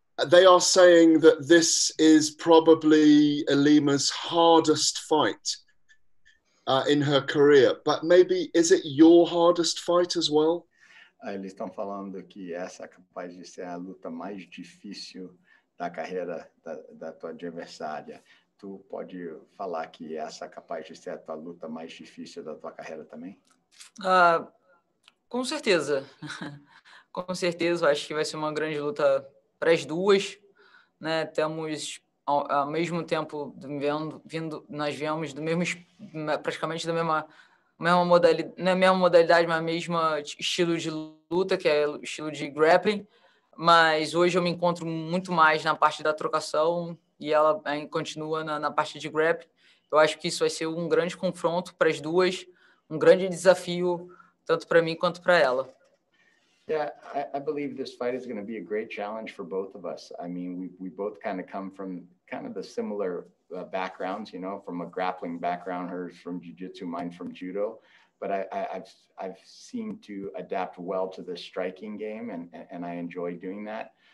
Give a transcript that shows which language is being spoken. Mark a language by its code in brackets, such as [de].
[en] They are saying that this is probably Alima's hardest fight in her career, but maybe is it your hardest fight as well? [pt] Eles estão falando que essa é capaz de ser a luta mais difícil da carreira da tua adversária. Tu pode falar que essa é capaz de ser a tua luta mais difícil da tua carreira também? Com certeza. Com certeza, acho que vai ser uma grande luta para as duas, né? Temos ao mesmo tempo vindo, nós viemos do mesmo, praticamente da mesma modalidade, não é a mesma modalidade, mas mesmo estilo de luta, que é o estilo de grappling, mas hoje eu me encontro muito mais na parte da trocação e ela continua na parte de grappling. Eu acho que isso vai ser um grande confronto para as duas, um grande desafio tanto para mim quanto para ela. [en] Yeah, I believe this fight is going to be a great challenge for both of us. I mean, we both kind of come from kind of the similar backgrounds, you know, from a grappling background, hers from jiu-jitsu, mine from judo. But I've seemed to adapt well to the striking game, and I enjoy doing that.